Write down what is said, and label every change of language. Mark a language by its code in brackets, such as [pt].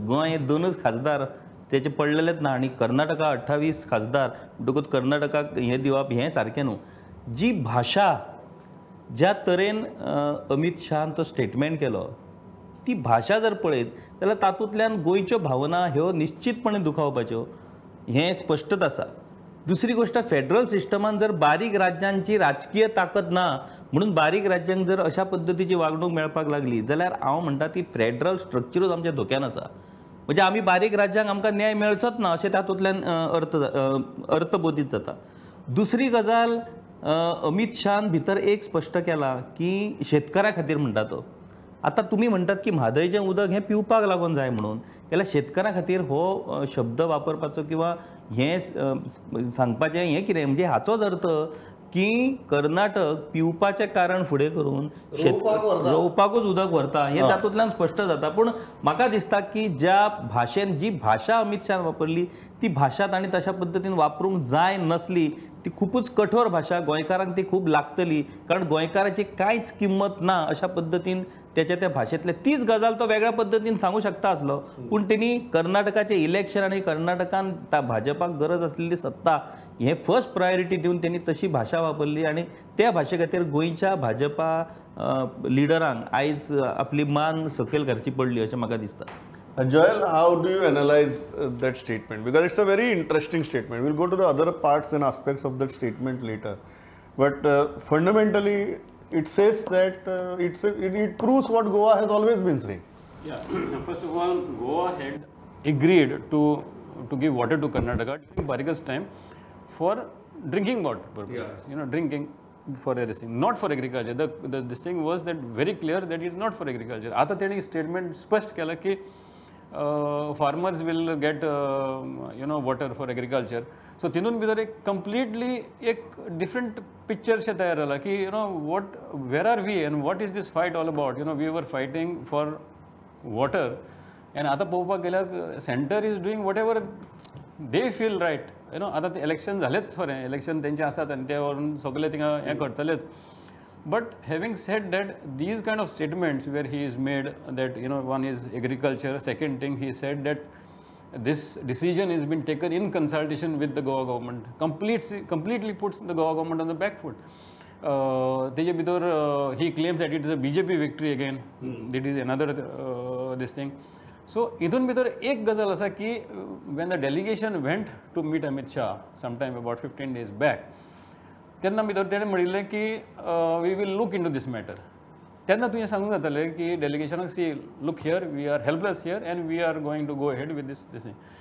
[kok] गोंय दोनूच खासदार तेचे पडलेलेच ना आनी कर्नाटका 28 खासदार म्हणटकूच कर्नाटकाक हें दिवप हें सारकें न्हू. जी भाशा ज्या तरेन अमित शहान तो स्टेटमेंट केलो ती भाशा जर पळयत जाल्यार तातूंतल्यान गोंयच्यो भावना ह्यो निश्चितपणे दुखावपाच्यो हें स्पश्टच आसा. दुसरी गोष्ट फेडरल सिस्टमांत जर बारीक राज्यांची राजकीय ताकद ना म्हणून बारीक राज्यांक जर अशा पद्दतीची वागणूक मेळपाक लागली जाल्यार हांव म्हणटा ती फेडरल स्ट्रक्चरूच आमच्या धोक्यान आसा. म्हणजे आमी बारीक राज्यांक आमकां न्याय मेळचोच ना अशें तातूंतल्यान अर्थबोधीत जाता. दुसरी गजाल अमित शहान भितर एक स्पश्ट केला की शेतकऱ्यां खातीर म्हणटा तो आता तुम्ही म्हणतात की म्हादईचे उदक हे पिवपाक लागून जाय म्हणून, जाल्यार शेतकारां खातीर हो शब्द वापरपाचो किंवा हे सांगपाचे हे कितें, म्हणजे हाचोच अर्थ की कर्नाटक पिवपाचे कारण फुडें करून रोवपाकूच उदक व्हरता, हे तातूंतल्यान स्पश्ट जाता. पूण म्हाका दिसता की ज्या भाशेन जी भाशा अमित शान वापरली ती भाशा ताणें तशा पद्दतीन वापरूंक जाय नासली, ती खुबूच कठोर भाशा गोंयकारांक ती खूब लागतली कारण गोंयकाराची कांयच किंमत ना अशा पद्दतीन त्याच्या त्या भाशेतले तीच गजाल तो वेगळ्या पद्दतीन सांगू शकता आसलो. पूण तेणी कर्नाटकाचे इलेक्शन आणि कर्नाटकान त्या भाजपाक गरज असलेली सत्ता हे फर्स्ट प्रायोरिटी देऊन त्यांनी तशी भाषा वापरली आणि त्या भाषे खातीर गोंयच्या भाजपा लिडरांक आयज आपली मान सकयल करची पडली अशें म्हाका दिसता. [en] Joel, how do you analyse that statement? Because it's a very interesting statement. We'll go to the other parts and aspects of that statement later, but fundamentally it says that it proves what Goa has always been saying. Yeah, first of all, Goa had agreed to give water to Karnataka during Barigas time for drinking water purposes. Yeah. You know, drinking for everything, not for agriculture. This thing was that very clear that it's not for agriculture. [kok] Aata teni statement spasht kela ki [en] farmers will get you know, water for agriculture. So [kok] तितून भितर एक [en] completely एक different picture [kok] शे तयार जाला की [en] You know what where are we and what is this fight all about. You know we were fighting for water and [kok] आतां पळोवपाक गेल्यार [en] Centre is doing whatever they feel right. You know [kok] आतां इलेक्शन जालेंच खरें, इलेक्शन तेंचे आसात आनी ते व्हरून सगळे थिंगा हें करतलेच. [en] But having said that, these kind of statements where he is made that you know one is agriculture, second thing he said that this decision has been taken in consultation with the Goa government, completely puts the Goa government on the back foot. [kok] Teje bidor [en] he claims that it is a BJP victory again. That is another this thing. [kok] So idun bidor ek gazal asa ki [en] when the delegation went to meet Amit Shah sometime about 15 days back, [kok] tenna bidor tene mhanile ki [en] we will look into this matter. [kok] तेन्ना तुवें सांगूंक जातलें की डेलिगेशनाक [en] See look here, we are helpless here and we are going to go ahead with this this thing.